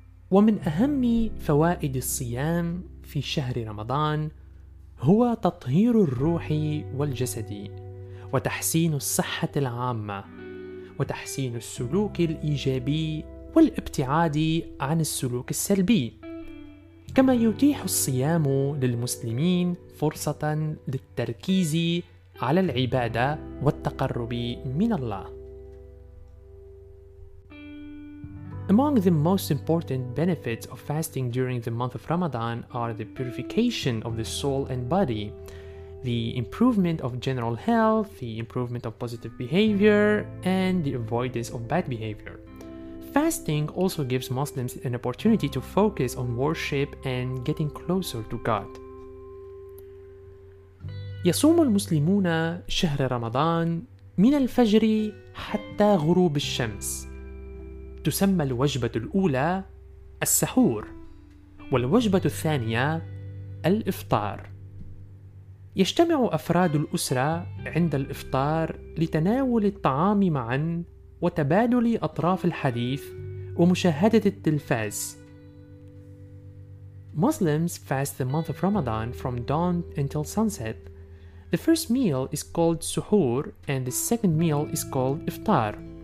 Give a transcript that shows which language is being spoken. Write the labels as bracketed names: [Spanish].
[Arabic] ومن أهم فوائد الصيام في شهر رمضان هو تطهير الروح والجسد وتحسين الصحة العامة وتحسين السلوك الإيجابي والابتعاد عن السلوك السلبي. كما يتيح الصيام للمسلمين فرصة للتركيز على العبادة والتقرب من الله. [English] Among the most important benefits of fasting during the month of Ramadan are the purification of the soul and body, the improvement of general health, the improvement of positive behavior, and the avoidance of bad behavior. Fasting also gives Muslims an opportunity to focus on worship and getting closer to God. [Arabic] يصوم المسلمون شهر رمضان من الفجر حتى غروب الشمس. تسمى الوجبة الأولى السحور والوجبة الثانية الإفطار. يجتمع أفراد الأسرة عند الإفطار لتناول الطعام معا وتبادل أطراف الحديث ومشاهدة التلفاز. [English] Muslims fast the month of Ramadan from dawn until sunset. The first meal is called suhoor and the second meal is called iftar.